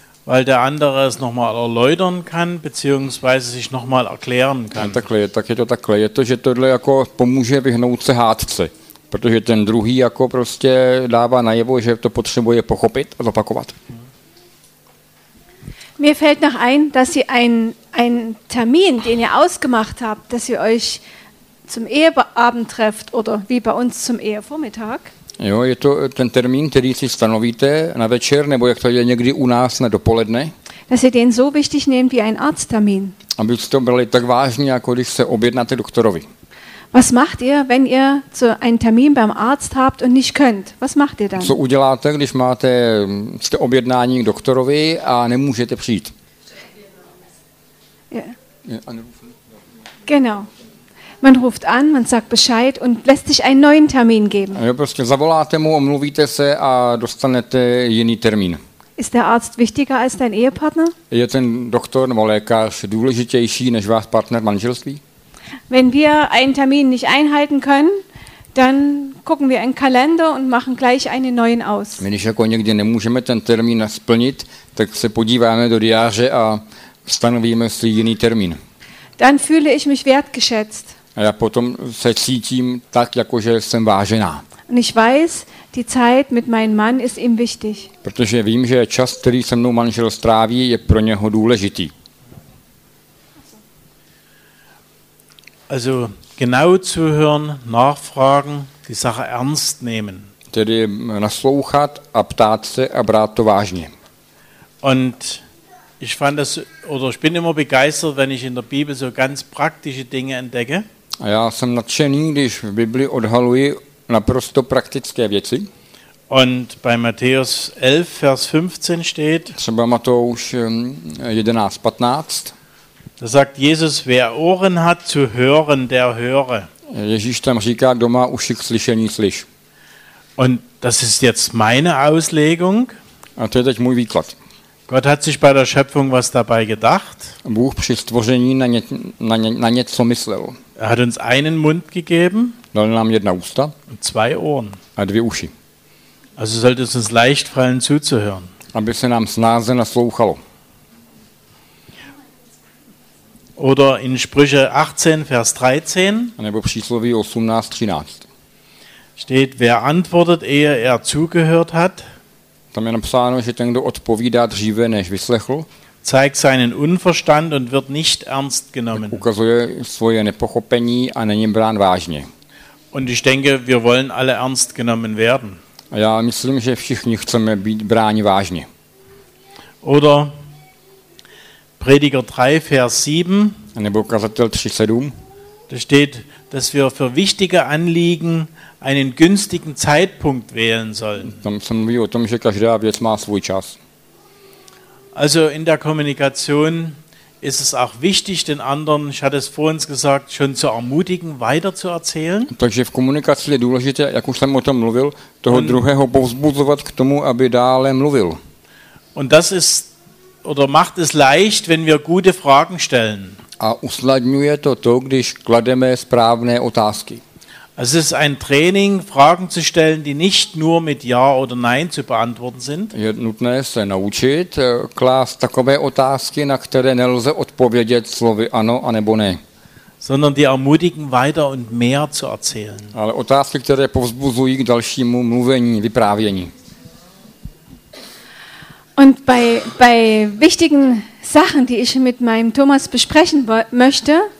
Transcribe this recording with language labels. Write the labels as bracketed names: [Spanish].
[German] Weil der andere es nochmal erläutern kann, beziehungsweise sich nochmal erklären kann. [Czech] Takhle je to, že tohle jako pomůže vyhnout se hádce. protože ten druhý jako prostě dává najevo, že to potřebuje pochopit a zopakovat. [German] Mir fällt noch ein, dass ihr einen Termin, den ihr ausgemacht habt, dass ihr euch zum Eheabend trefft oder wie bei uns zum Ehevormittag. [Czech] Jo, je to ten termín, který si stanovíte na večer nebo jak to je někdy u nás na dopoledne. [German] Dass ihr den so wichtig nehmt wie einen Arzttermin. [Czech] Abyste to brali tak vážně, jako když se objednáte doktorovi. [German] Was macht ihr, wenn ihr so einen Termin beim Arzt habt und nicht könnt? Was macht ihr dann? [Czech] Co uděláte, když máte jste objednání k doktorovi a nemůžete přijít? [German] Genau. Man ruft an, man sagt Bescheid und lässt sich einen neuen Termin geben. [Czech] Jo, prostě zavoláte mu, omluvíte se a dostanete jiný termín. [German] Ist der Arzt wichtiger als dein Ehepartner? [Czech] Je ten doktor nebo lékař důležitější než váš partner manželství? [German] Wenn wir einen Termin nicht einhalten können, dann gucken wir einen Kalender und machen gleich einen neuen aus. Wenn ich [Czech] jako někdy nemůžeme ten termín splnit, tak se podíváme do diáře a stanovíme si jiný termín. [German] Dann fühle ich mich wertgeschätzt. [Czech] A já potom se cítím tak, jako že jsem vážená. [German] Und ich weiß, die Zeit mit meinem Mann ist ihm wichtig. [Czech] Protože vím, že čas, který se mnou manžel stráví, je pro něho důležitý. [German] Also genau zuhören, nachfragen, die Sache ernst nehmen. [Czech] Tedy naslouchat a ptát se a brát to vážně. [German] Und ich fand das, oder ich bin immer begeistert, wenn ich in der Bibel so ganz praktische Dinge entdecke. [Czech] A já jsem nadšený, když v Bibli odhaluji naprosto praktické věci. [German] Und bei Matthäus 11, Vers 15 steht, [Czech] třeba Matouš 11, 15, [German] da sagt Jesus, wer Ohren hat zu hören, der höre. [Czech] Ježíš tam říká, kdo má uši k slyšení, slyš. [German] Und das ist jetzt meine Auslegung. [Czech] A to je teď můj výklad. [German] Gott hat sich bei der Schöpfung was dabei gedacht. [Czech] Bůh při stvoření na něco myslel. [German] Er hat uns einen Mund gegeben. [Czech] Dal nám jedna ústa. [German] Und zwei Ohren. [Czech] A dvě uši. [German] Also sollte es uns leicht fallen zuzuhören. [Czech] Aby se nám snáze naslouchalo. [German] Oder in Sprüche 18, Vers 13. [Czech] Nebo přísloví 18, 13. [German] Steht, wer antwortet, ehe er zugehört hat. [Czech] Tam je napsáno, že ten, kdo odpovídá dříve, než vyslechl. [German] Zeigt seinen Unverstand und wird nicht ernst genommen. [Czech] Ukazuje svoje nepochopení a není brán vážně. [German] Und ich denke, wir wollen alle ernst genommen werden. [Czech] A já myslím, že všichni chceme být bráni vážně. [German] Oder Prediger 3, Vers 7. [Czech] Nebo Kazatel 3, 7. [German] Da steht, dass wir für wichtige Anliegen einen günstigen Zeitpunkt wählen sollen. [Czech] Tam se mluví o tom, že každá věc má svůj čas. [German] Also in der Kommunikation ist es auch wichtig, den anderen, ich hatte es vorhin gesagt, schon zu ermutigen, weiter zu erzählen. [Czech] Takže v komunikaci je důležité, jak už jsem o tom mluvil, toho druhého povzbuzovat k tomu, aby dále mluvil. [German] Und das ist oder macht es leicht, wenn wir gute Fragen stellen. [Czech] A usnadňuje to, když klademe správné otázky. [German] Es ist ein Training, Fragen zu stellen, die nicht nur mit Ja oder Nein zu beantworten sind. [Czech] Je nutné se naučit klást takové otázky, na které nelze odpovědět slovy ano anebo ne. [German] Sondern die ermutigen, weiter und mehr zu erzählen. [Czech] Ale otázky, které povzbuzují k dalšímu mluvení, vyprávění. [German] Und bei wichtigen Sachen, die ich mit meinem Thomas besprechen möchte,